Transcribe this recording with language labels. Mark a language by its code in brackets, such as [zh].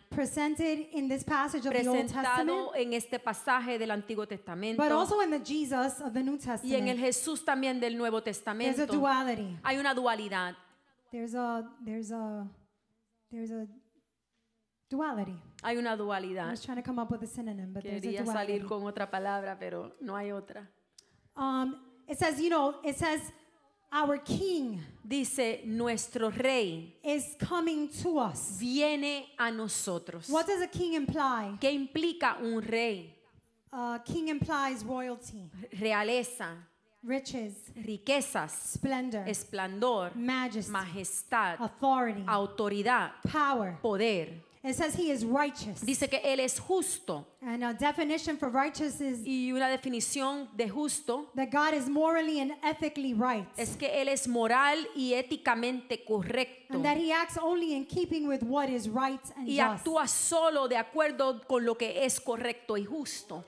[en] Presented in this passage of the Old Testament. [es] Presentado en este pasaje del Antiguo Testamento. [en] But also in the Jesus of the New Testament. [es] Y en el Jesús también del Nuevo Testamento. [en] There's a duality. [es] Hay una dualidad. [en] There's a duality. [es] Hay una dualidad. [en] I was trying to come up with a synonym, but [es] quería [en] there's a duality. [es] Quería salir con otra palabra, pero no hay otra. [en] It says, you know, it says, our king. [es] Dice nuestro rey. [en] Is coming to us. [es] Viene a nosotros. [en] What does a king imply? [es] ¿Qué implica un rey? [en] King implies royalty. [es] Realeza. [en] Riches, [es] riquezas, [en] splendor, [es] esplendor, [en] majesty, [es] majestad, [en] authority, [es] autoridad, [en] power, [es] poder. [en] It says he is righteous. [es] Dice que él es justo. [en] And a definition for righteous is [es] y una definición de justo [en] that God is morally and ethically right. [es] Es que él es moral y éticamente correcto. [en] And that he acts only in keeping with what is right and [es] y [en] just. [es] Y actúa solo de acuerdo con lo que es correcto y justo.